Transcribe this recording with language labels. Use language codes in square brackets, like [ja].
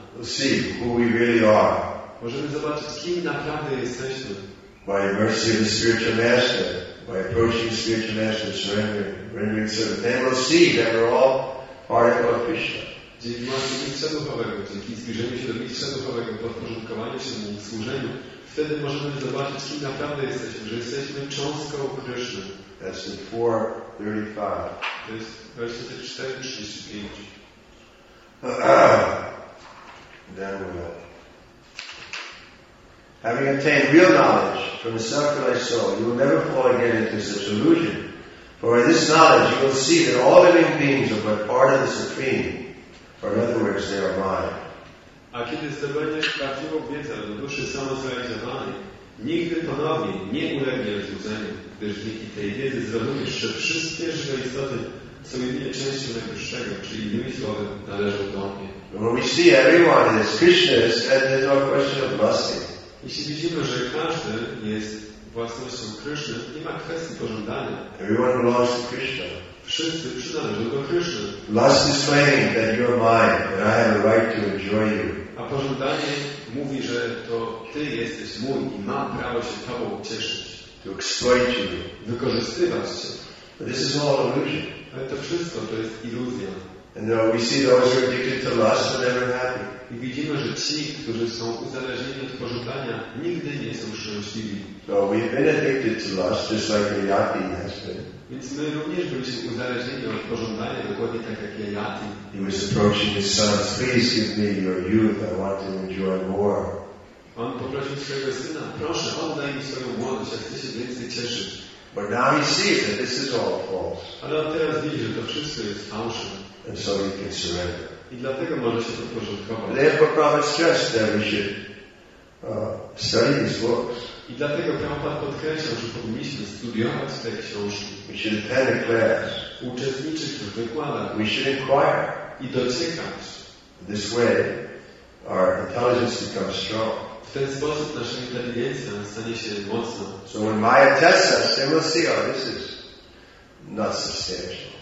[en] We'll see who we really are. [pl] Możemy zobaczyć, kim naprawdę jesteśmy. [en] By mercy of the spiritual master, by approaching the spiritual master, rendering service, then we'll see that we're all part of Krishna. [pl] Dzięki mocy mistrza duchowego, dzięki zbliżeniu się do mistrza duchowego, podporządkowaniu się mu, służeniu, wtedy możemy zobaczyć, kim naprawdę jesteśmy, że jesteśmy cząstką Krishna. [en] That's in 4:35. [pl] To jest 24:35. [en] Then we'll having attained real knowledge from the self-realized soul, you will never fall again into such illusion. For by this knowledge, you will see that all living beings are but part of the Supreme. Or in other words, they are mine. [pl] A kiedy zdobędziesz prawdziwą wiedzę do duszy samozrealizowanej, nigdy ponownie nie ulegniesz złudzeniu, gdyż dzięki tej wiedzy zrozumiesz, że wszystkie żywe istoty są jedynie częścią najwyższego, czyli innymi słowy, należą do mnie. [en] When we see everyone is Krishna, then there's no question of lusting. [pl] Jeśli widzimy, że każdy jest własnością Krishna, nie ma kwestii pożądania. [en] Everyone belongs to Krishna. [pl] Wszyscy przynależą do Krishna. [en] Lust is claiming that you are mine, and I have a right to enjoy you. [pl] A pożądanie mówi, że to ty jesteś mój i mam prawo się tobą cieszyć. [en] To exploit you. [pl] Wykorzystywać cię. [en] But this is all illusion. [pl] Ale to wszystko to jest iluzja. [en] And now we see those who are addicted to lust are never happy. [pl] I widzimy, że ci, którzy są uzależnieni od pożądania, nigdy nie są szczęśliwi. [en] So we've been addicted to lust, just like the Yati has been. [pl] Więc my również byliśmy uzależnieni od pożądania, dokładnie tak jak Yati. [en] He was approaching his sons, please give me your youth, I want to enjoy more. [pl] On poprosił swojego syna, proszę, oddaj mi swoją młodość, ja chcę się więcej cieszyć. [en] But now he sees that this is all false. [pl] Ale on teraz widzi, że to wszystko jest fałszywe. [en] And so he can surrender. [pl] I dlatego może się to podporządkować. [en] Therefore, Prabhupada stressed that we should study these books. [pl] I dlatego Prabhupada podkreślał, że powinniśmy studiować te książki. [en] We should attend a class. [pl] Uczestniczyć w wykładach. [en] We should inquire. [pl] I dociekać. [en] This way, our intelligence becomes strong. [pl] W ten sposób nasza inteligencja stanie się mocna. [en] So when Maya tests us, then we'll see, oh, this is not substantial.